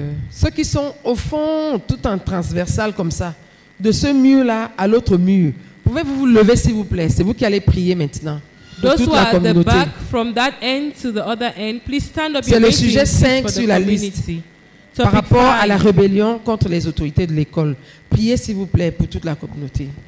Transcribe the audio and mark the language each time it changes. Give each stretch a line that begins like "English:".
French: Ceux qui sont au fond, tout en transversal comme ça, de ce mur-là à l'autre mur. Pouvez-vous vous lever, s'il vous plaît? C'est vous qui allez prier maintenant.
English: Those who are at the back, from that end to the other end, please stand up.
French: C'est le sujet 5 sur la liste. Par rapport à la rébellion contre les autorités de l'école. Priez, s'il vous plaît, pour toute la communauté.